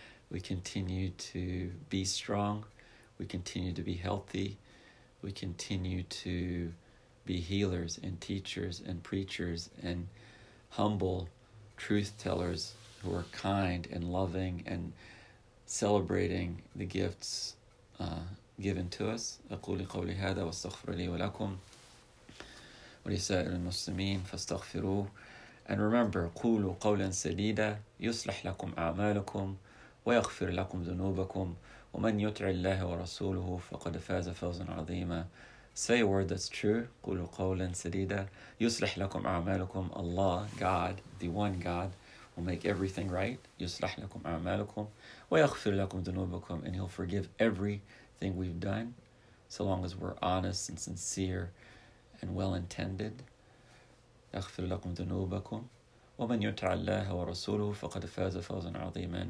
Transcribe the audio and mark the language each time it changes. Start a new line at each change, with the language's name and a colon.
English: We continue to be strong. We continue to be healthy. We continue to be healers and teachers and preachers and humble truth tellers who are kind and loving and celebrating the gifts given to us.
Arabic: أقول قولي هذا واستغفر لي ولكم ولسائر المسلمين فاستغفروه.
English: And remember,
Arabic: قولوا قولا سديدا يصلح لكم أعمالكم ويغفر لكم ذنوبكم ومن يطع الله ورسوله فقد فاز فوزا عظيما.
English: Say a word that's true.
Arabic: قولوا قولا سديدا يصلح لكم أعمالكم.
English: Allah, God, the one God, will make everything right.
Arabic: يصلح لكم أعمالكم ويغفر لكم ذنوبكم.
English: And he'll forgive everything we've done so long as we're honest and sincere and well-intended.
Arabic: يغفر لكم ذنوبكم ومن يطع الله ورسوله فقد فاز فوزا عظيما.